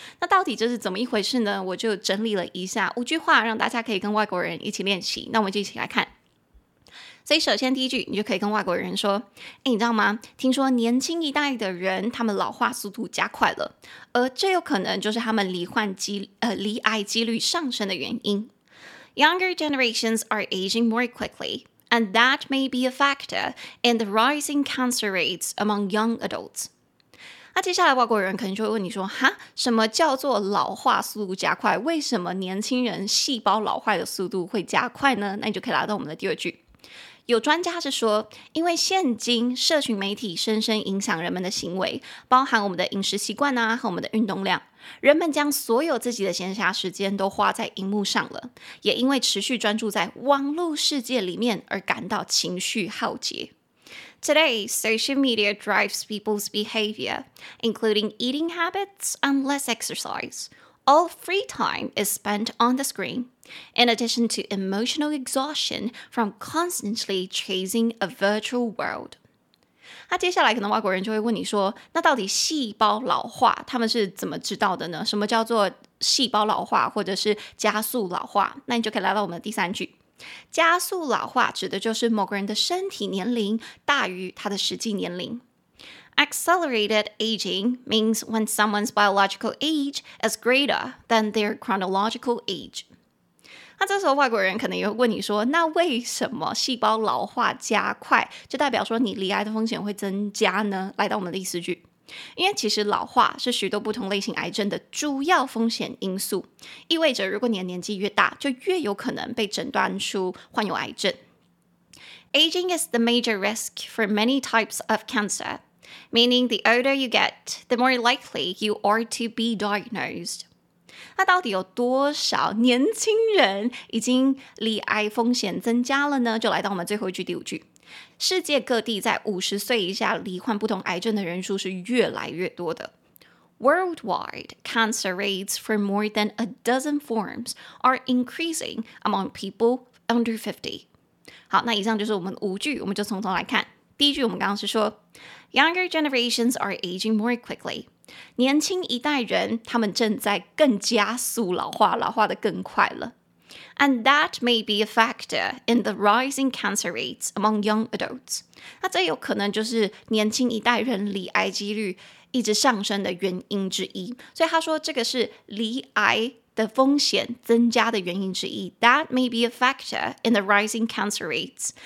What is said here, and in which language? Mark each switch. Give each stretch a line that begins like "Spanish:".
Chinese: 那到底这是怎么一回事呢？我就整理了一下五句话，让大家可以跟外国人一起练习。那我们就一起来看。所以首先第一句，你就可以跟外国人说，哎，你知道吗？听说年轻一代的人他们老化速度加快了，而这有可能就是他们罹癌几率上升的原因。
English: Younger generations are aging more quickly and that may be a factor in the rising cancer rates among young adults。
Chinese: 那接下来外国人可能就会问你说，哈，什么叫做老化速度加快？为什么年轻人细胞老化的速度会加快呢？那你就可以来到我们的第二句。有专家是说，因为现今社群媒体深深影响人们的行为，包含我们的饮食习惯啊和我们的运动量，人们将所有自己的闲暇时间都花在荧幕上了，也因为持续专注在网络世界里面而感到情绪耗竭。
English: Today, social media drives people's behavior, including eating habits and less exercise. All free time is spent on the screen. In addition to emotional exhaustion from constantly chasing a virtual world.
Chinese: 那接下来可能外国人就会问你说，那到底细胞老化他们是怎么知道的呢？什么叫做细胞老化或者是加速老化？那你就可以来到我们的第三句。加速老化指的就是某个人的身体年龄大于他的实际年龄。
English: Accelerated aging means when someone's biological age is greater than their chronological age.
Chinese: 那这时候外国人可能也会问你说，那为什么细胞老化加快就代表说你罹癌的风险会增加呢？来到我们的第四句。因为其实老化是许多不同类型癌症的主要风险因素，意味着如果你的年纪越大就越有可能被诊断出患有癌症。
English: Aging is the major risk for many types of cancer, meaning the older you get, the more likely you are to be diagnosed.
Chinese: 那到底有多少年轻人已经罹癌风险增加了呢？就来到我们最后一句，第五句。世界各地在50岁以下罹患不同癌症的人数是越来越多的。
English: Worldwide, cancer rates for more than a dozen forms are increasing among people under 50.
Chinese: 好，那以上就是我们五句，我们就从头来看。第一句，我们刚刚是说
English: Younger generations are aging more quickly.
Chinese: 年轻一代人他们正在更加速老化，老化得更快了。
English: And that may be a factor in the rising cancer rates among young adults.
Chinese: 那这有可能就是年轻一代人罹癌几率一直上升的原因之一。所以他说这个是罹癌的风险增加的原因之一。
English: That may be a factor in the rising cancer rates.